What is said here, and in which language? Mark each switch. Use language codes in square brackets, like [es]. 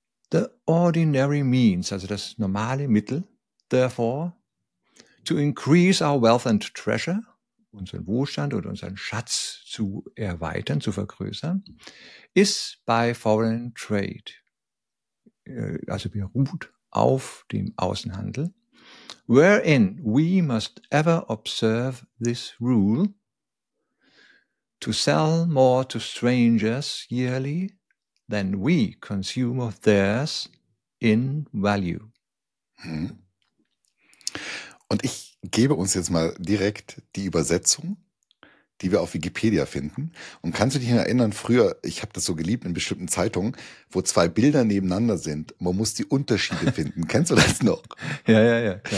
[en] The ordinary means, [de] also das normale Mittel, [en] therefore, to increase our wealth and treasure, [de] unseren Wohlstand oder unseren Schatz zu erweitern, zu vergrößern, [en] is by foreign trade. [de] Also beruht auf dem Außenhandel. [en] Wherein we must ever observe this rule, to sell more to strangers yearly than we consume of theirs in value. [de] Und ich gebe uns jetzt mal direkt die Übersetzung, die wir auf Wikipedia finden. Und kannst du dich noch erinnern, früher, ich habe das so geliebt in bestimmten Zeitungen, wo zwei Bilder nebeneinander sind. Man muss die Unterschiede finden. Kennst du das noch? Ja.